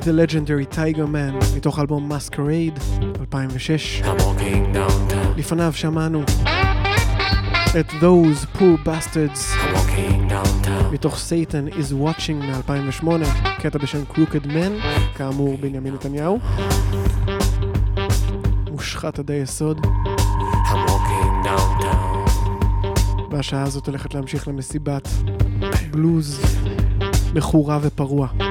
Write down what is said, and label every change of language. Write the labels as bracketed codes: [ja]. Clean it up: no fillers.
[en] The legendary Tiger Man, [he] מתוך אלבום [en] Masquerade, 2006. I'm walking downtown. [he] לפניו שמענו את Those Poor Bastards. [en] I'm walking downtown. [he] מתוך Satan is Watching, מ-2008. קטע בשם Crooked Man, כאמור בנימין נתניהו. מושחת עדי יסוד. [en] I'm walking downtown. [he] והשעה הזאת הולכת להמשיך למסיבת בלוז מחורה ופרוע.